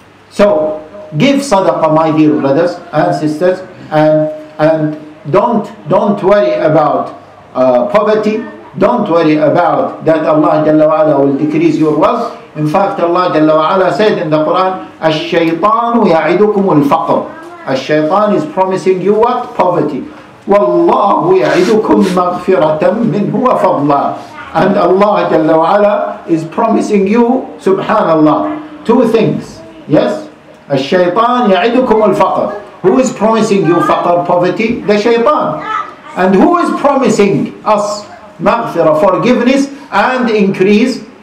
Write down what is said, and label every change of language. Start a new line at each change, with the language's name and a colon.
English: So give sadaqah, my dear brothers and sisters, and don't worry about poverty. Don't worry about that Allah Jalla wa Ala will decrease your wealth. In fact, Allah Jalla wa Ala said in the Quran,
Arabic: الشيطان يعدكم الفقر.
English: الشيطان is promising you what? Poverty.
Arabic: والله يعدكم مغفرة منه وفضلا.
English: And Allah Jalla wa Ala is promising you, subhanallah, two things. Yes?
Arabic: الشيطان يعدكم الفقر.
English: Who is promising you فقر, poverty? The shaytan. And who is promising us مغفرة, forgiveness and increase?